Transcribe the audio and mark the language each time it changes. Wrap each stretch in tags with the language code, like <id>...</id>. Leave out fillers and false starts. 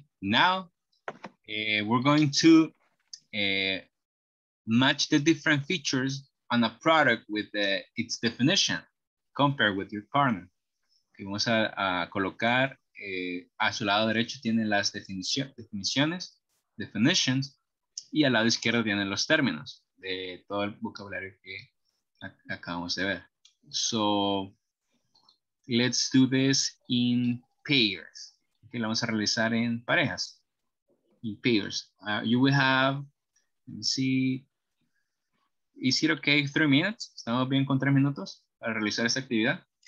<en>Now, we're going to match the different features on a product with its definition. Compare with your partner.</en> <es>Okay, vamos a colocar a su lado derecho tiene las definitions, y al lado izquierdo tienen los términos de todo el vocabulario que acabamos de ver.</es> <en>So, let's do this in pairs.</en> <es>Okay, lo vamos a realizar en parejas.</es> <en>In pairs. You will have, let me see, is it okay 3 minutes?</en> <es>¿Estamos bien con 3 minutos para realizar esta actividad?</es>